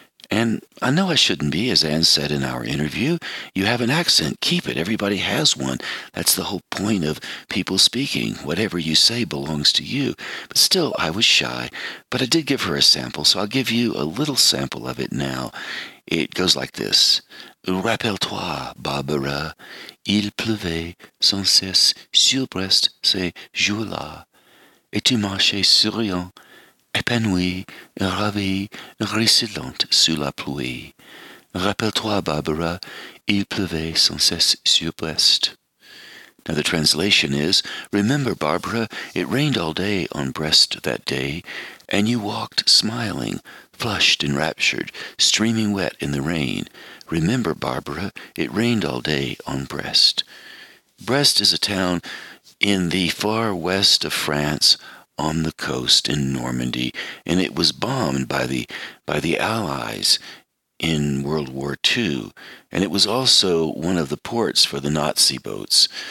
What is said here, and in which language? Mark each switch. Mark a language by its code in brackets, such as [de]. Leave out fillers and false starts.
[en] And I know I shouldn't be, as Anne said in our interview. You have an accent. Keep it. Everybody has one. That's the whole point of people speaking. Whatever you say belongs to you. But still, I was shy. But I did give her a sample, so I'll give you a little sample of it now. It goes like this. [fr] Rappelle-toi, Barbara. Il pleuvait sans cesse sur Brest ce jour-là. Et tu marchais souriant. Épanoui, ravi, ruisselante sous la pluie. Rappelle-toi, Barbara, il pleuvait sans cesse sur Brest. [en] Now the translation is, remember, Barbara, it rained all day on Brest that day, and you walked smiling, flushed and raptured, streaming wet in the rain. Remember, Barbara, it rained all day on Brest. Brest is a town in the far west of France, on the coast in Normandy, and it was bombed by the Allies in World War II, and it was also one of the ports for the Nazi boats.